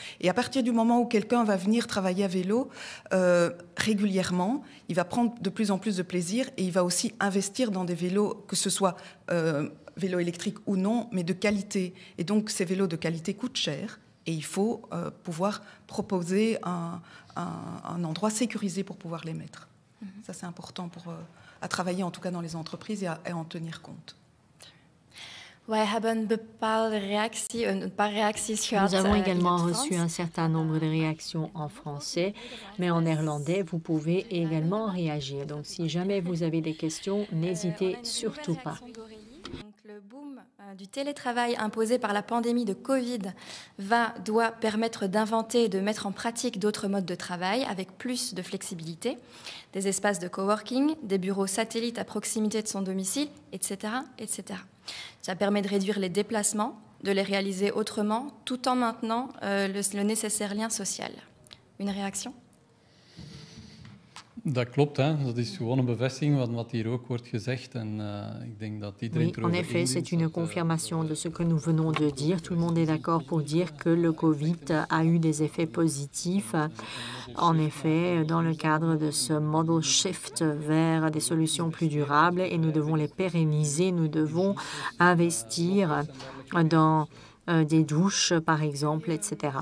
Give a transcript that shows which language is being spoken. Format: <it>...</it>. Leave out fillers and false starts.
<fr>Et à partir du moment où quelqu'un va venir travailler à vélo régulièrement, il va prendre de plus en plus de plaisir et il va aussi investir dans des vélos, que ce soit vélo électrique ou non, mais de qualité. Et donc, ces vélos de qualité coûtent cher. Et il faut pouvoir proposer un endroit sécurisé pour pouvoir les mettre. Mm-hmm. Ça, c'est important pour, à travailler, en tout cas dans les entreprises, et à en tenir compte.</fr> <nl>Wij hebben bepaalde reacties, een paar reacties gehad.</nl> <fr>Nous avons également reçu un certain nombre de réactions en français, mais en néerlandais, vous pouvez également réagir. Donc, si jamais vous avez des questions, n'hésitez surtout pas. Le boom du télétravail imposé par la pandémie de Covid doit permettre d'inventer et de mettre en pratique d'autres modes de travail avec plus de flexibilité, des espaces de coworking, des bureaux satellites à proximité de son domicile, etc., etc. Ça permet de réduire les déplacements, de les réaliser autrement, tout en maintenant le nécessaire lien social. Une réaction ?</fr> <nl>Dat klopt, hè. Dat is gewoon een bevestiging van wat hier ook wordt gezegd. En ik denk dat iedereen</nl> <fr>oui, en effet, c'est une confirmation de ce que nous venons de dire. Tout le monde est d'accord pour dire que le Covid a eu des effets positifs. En effet, dans le cadre de ce model shift vers des solutions plus durables, et nous devons les pérenniser, nous devons investir dans des douches, par exemple, etc.</fr>